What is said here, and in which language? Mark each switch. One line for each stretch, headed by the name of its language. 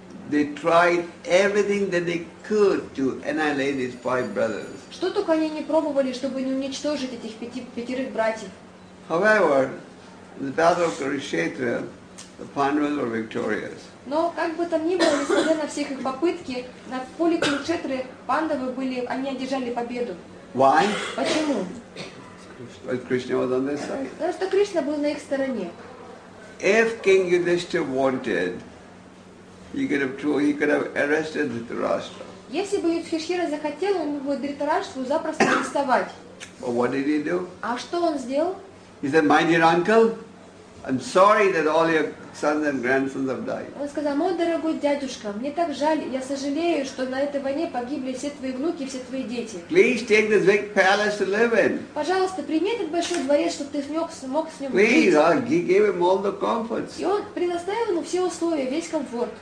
English: They tried everything that they could to annihilate these five brothers.
Russian: Что только они не пробовали, чтобы не уничтожить этих пятерых братьев.
English: However, in the battle of Kurukshetra, the Pandavas were victorious.
Russian: Но как бы там ни было, несмотря на все их попытки, на поле Курукшетры Пандавы были, они одержали победу.
English: Why?
Russian: Почему?
English: Because Krishna was on their side.
Russian: Потому что Кришна был на их стороне.
English: If King Yudhishthira wanted, he could have arrested Dhritarashtra.
Russian: Если бы Юдхиштхира захотел, он мог бы Дхритараштру запросто арестовать.
English: But what did he do?
Russian: А что он сделал?
English: He said, "My dear uncle, I'm sorry that all your sons and grandsons have died."
Russian: Он сказал, мой дорогой дядюшка, мне так жаль, я сожалею, что на этой войне погибли все твои внуки, все твои дети.
English: Please take this big palace to live in.
Russian: Пожалуйста, прими этот большой дворец, чтобы ты смог с ним жить.
English: He gave him all the comforts.
Russian: И он предоставил ему все условия, весь комфорт.